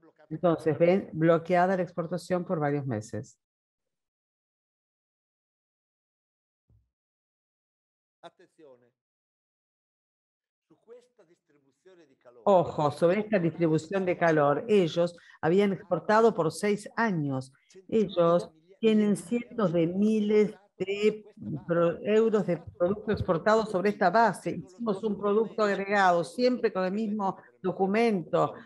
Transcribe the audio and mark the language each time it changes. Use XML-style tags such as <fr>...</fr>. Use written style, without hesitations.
<es>Entonces, ven, bloqueada la exportación por varios meses.</es> <it>Attenzione. Su questa distribuzione di calore.</it> <es>Ojo, sobre esta distribución de calor, ellos habían exportado por 6 años. Ellos tienen cientos de miles de euros de producto exportado sobre esta base. Hicimos un producto agregado, siempre con el mismo documento.</es>